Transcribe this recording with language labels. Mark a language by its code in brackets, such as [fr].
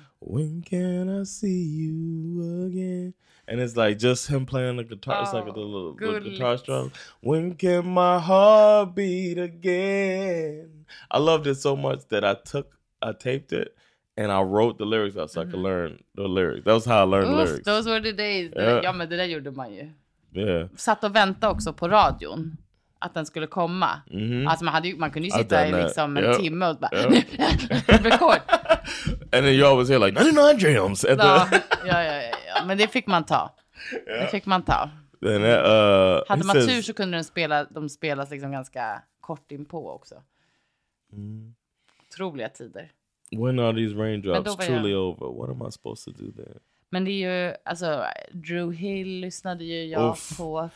[en] When can I see you again? And it's like just him playing the guitar. Oh, it's like the little guitar strum. When can my heart beat again? I loved it so much that I taped it and I wrote the lyrics out so I could learn the lyrics. That was how I learned the lyrics. Those were the days. [sv] Ja, men det där gjorde man ju. [en] Yeah. [sv] Satt och väntade också på radion. att den skulle komma. Mm-hmm. Alltså man kunde ju sitta i liksom en timme och bara, rekord. [en] And then you always hear like 99 jams. [sv] Ja, men det fick man ta. Det fick man ta. [en] Then, [sv] hade man tur så kunde den spela, de spelas liksom ganska kort in på också. Otroliga tider. [en] When are these raindrops truly over? What am I supposed to do there? [sv] Men det är ju, alltså, Drew Hill lyssnade ju jag på.